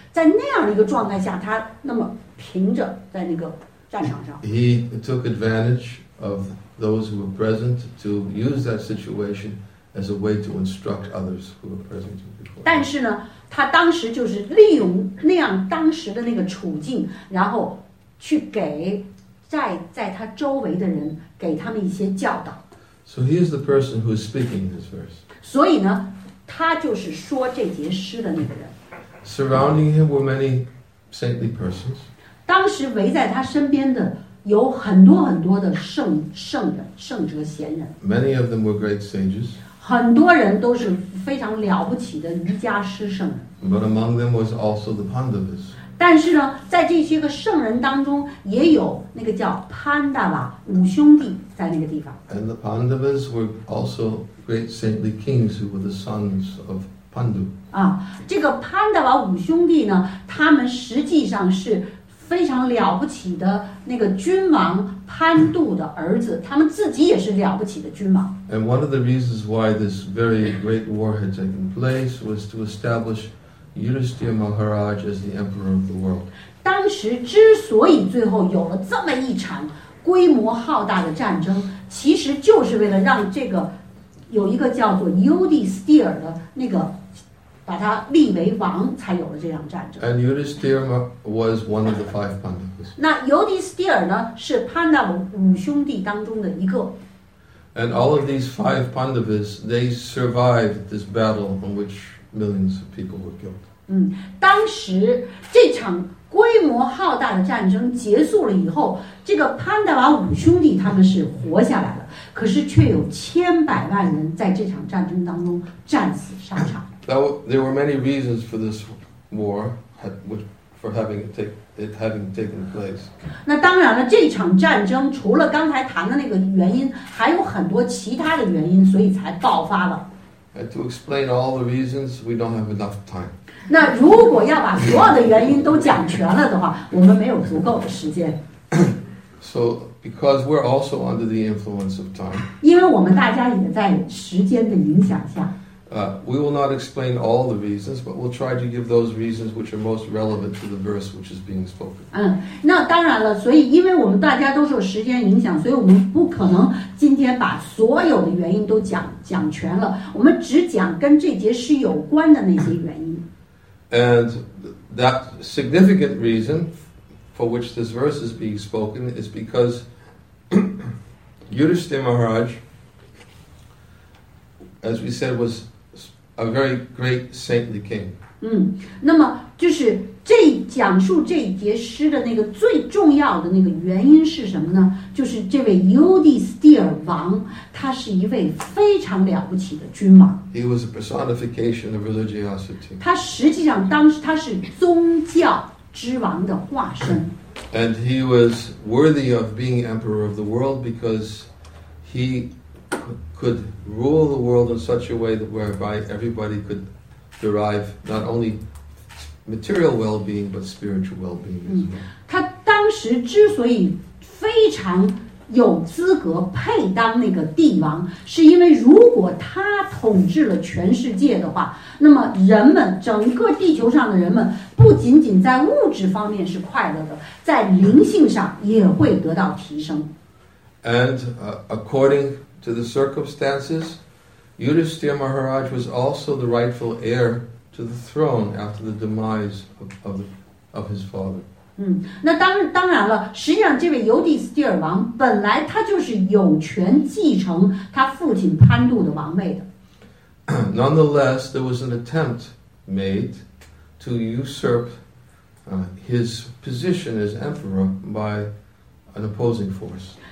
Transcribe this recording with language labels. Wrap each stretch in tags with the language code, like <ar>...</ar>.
<zh>在那样的一个状态下，他那么平着在那个战场上。</zh> <en>He took advantage of those who were present to use that situation as a way to instruct others who were present before.</en> <zh>但是呢，他当时就是利用那样当时的那个处境，然后去给在他周围的人给他们一些教导。</zh> <en>So he is the person who is speaking this verse.</en> <zh>所以呢，他就是说这节诗的那个人。</zh> <en>Surrounding him were many saintly persons.</en> <zh>当时围在他身边的有很多很多的圣者贤人。</zh> <en>Many of them were great sages.</en> <zh>很多人都是非常了不起的瑜伽师圣人。</zh> <en>But among them was also the Pandavas.</en> <zh>但是呢，在这些个圣人当中，也有那个叫 Pandava 五兄弟在那个地方。</zh> <en>And the Pandavas were also great saintly kings who were the sons of Pandu.</en> <zh>这个 Pandava 五兄弟呢，他们实际上是非常了不起的那个君王潘度的儿子，他们自己也是了不起的君王。</zh> <en>And one of the reasons why this very great war had taken place was to establish Yudhishthira Maharaj as the emperor of the world.</en> <zh>当时之所以最后有了这么一场规模浩大的战争，其实就是为了让这个有一个叫做 Yudhishthira 的那个把他立为王，才有了这场战争。</zh> <en>And Yudhishthira was one of the five Pandavas.</en> <zh>那 Yudhishthira 呢，是 Pandava 五兄弟当中的一个。</zh> <en>And all of these five Pandavas, they survived this battle in which millions of people were killed.</en> <zh>当时这场规模浩大的战争结束了以后，这个 Pandava 五兄弟他们是活下来了，可是却有千百万人在这场战争当中战死沙场。</zh> <en>Now, there were many reasons for this war, for having it taken place.</en> <zh>那当然了，这场战争除了刚才谈的那个原因，还有很多其他的原因，所以才爆发了。</zh> <en>And to explain all the reasons, we don't have enough time.</en> <zh>那如果要把所有的原因都讲全了的话，我们没有足够的时间。</zh> <en>So, because we're also under the influence of time.</en> <zh>因为我们大家也在时间的影响下。</zh> <en>We will not explain all the reasons, but we'll try to give those reasons which are most relevant to the verse which is being spoken.</en> <zh>那当然了，所以因为我们大家都受时间影响，所以我们不可能今天把所有的原因都讲全了。我们只讲跟这节诗有关的那些原因。</zh> <en>And that significant reason for which this verse is being spoken is because Yudhishthira Maharaj, as we said, was a very great saintly king.</en> <zh>那么就是这讲述这节诗的那个最重要的那个原因是什么呢？就是这位 Yudhishthira 王，他是一位非常了不起的君王。</zh> <en>He was a personification of religiosity.</en> <zh>他实际上当时他是宗教之王的化身。</zh> <en>And he was worthy of being emperor of the world because he could rule the world in such a way that whereby everybody could derive not only material well-being but spiritual well-being as well.</en> <zh>他当时之所以非常有资格配当那个帝王，是因为如果他统治了全世界的话，那么人们整个地球上的人们不仅仅在物质方面是快乐的，在灵性上也会得到提升。</zh> <en>And according to the circumstances, Yudhishthira Maharaj was also the rightful heir to the throne after the demise of his father.</en> <zh>那当然了，实际上这位尤迪斯蒂尔王本来他就是有权继承他父亲潘度的王位的。</zh> <en>Nonetheless, there was an attempt made to usurp his position as emperor by an opposing force.</en>